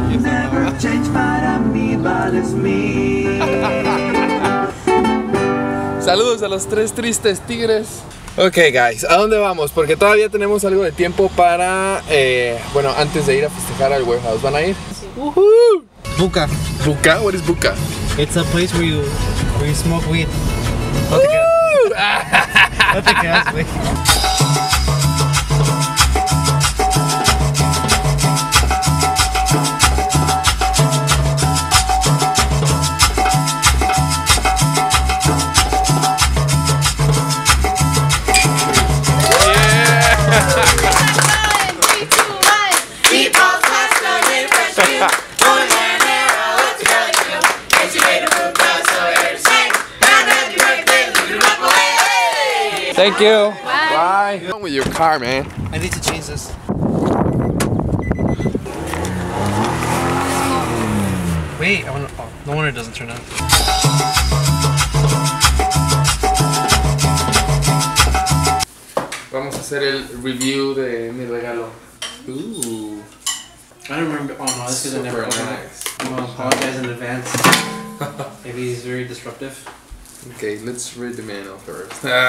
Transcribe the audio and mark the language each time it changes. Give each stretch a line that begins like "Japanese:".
Spanish: Never change para mí, vales mí. Saludos a los tres tristes tigres.
English: Ok, guys,
Spanish: ¿a dónde vamos? Porque todavía tenemos algo de tiempo para... bueno, antes de ir a festejar al warehouse, ¿van a ir? Sí. Buca.
English: Buca? What is Buca? It's a place where you smoke weed. Thank you. Bye. What's wrong with your car, man? I need to change this. Wait, I wanna, oh, no wonder it doesn't turn on.
Spanish: Vamos a hacer el review de mi regalo.
English: Ooh. I remember. Oh no, this is never nice. I'm gonna apologize in advance. Maybe he's very disruptive. Okay, let's read the manual first.